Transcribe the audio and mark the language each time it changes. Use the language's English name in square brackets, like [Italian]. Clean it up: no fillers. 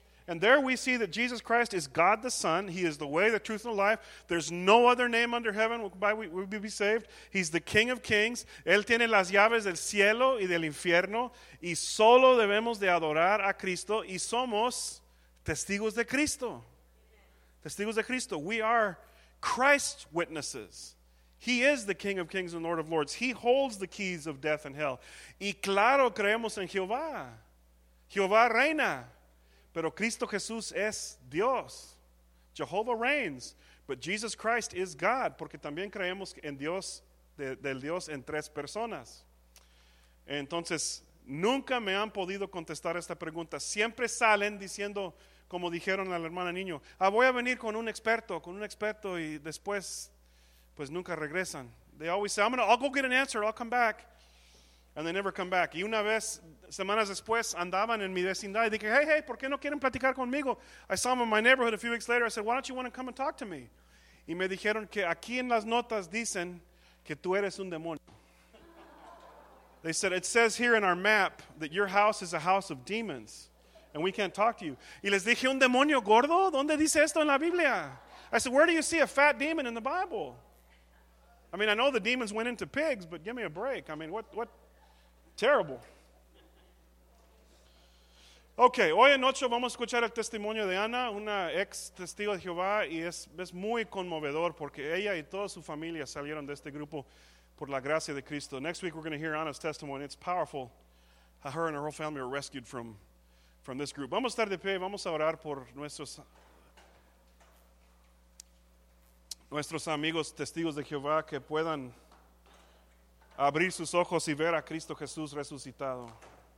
[English] And there we see that Jesus Christ is God the Son. He is the way, the truth, and the life. There's no other name under heaven whereby we will be saved. He's the King of Kings. [Spanish] Él tiene las llaves del cielo y del infierno. Y solo debemos de adorar a Cristo. Y somos testigos de Cristo. Testigos de Cristo. [English] We are Christ's witnesses. He is the King of Kings and Lord of Lords. He holds the keys of death and hell. [Spanish] Y claro, creemos en Jehová. Jehová reina. Pero Cristo Jesús es Dios. [English] Jehovah reigns. But Jesus Christ is God. [Spanish] Porque también creemos en Dios, del Dios en tres personas. Entonces, nunca me han podido contestar esta pregunta. Siempre salen diciendo, como dijeron a la hermana niño, ah, voy a venir con un experto, y después, pues nunca regresan. [English] They always say, I'll go get an answer, I'll come back. [Spanish] And they never come back. Y una vez, semanas después, andaban en mi vecindad. Y dije, hey, hey, ¿por qué no quieren platicar conmigo? [English] I saw them in my neighborhood a few weeks later. I said, why don't you want to come and talk to me? [Spanish] Y me dijeron que aquí en las notas dicen que tú eres un demonio. [English] They said, it says here in our map that your house is a house of demons. And we can't talk to you. [Spanish] Y les dije, ¿un demonio gordo? ¿Dónde dice esto en la Biblia? [English] I said, where do you see a fat demon in the Bible? I mean, I know the demons went into pigs, but give me a break. I mean, what? Terrible. [Spanish] Okay, hoy en noche vamos a escuchar el testimonio de Ana, una ex testigo de Jehová, y es muy conmovedor porque ella y toda su familia salieron de este grupo por la gracia de Cristo. [English] Next week we're going to hear Ana's testimony. It's powerful how her and her whole family were rescued from this group. [Spanish] Vamos a estar de pie, vamos a orar por nuestros amigos testigos de Jehová que puedan abrir sus ojos y ver a Cristo Jesús resucitado.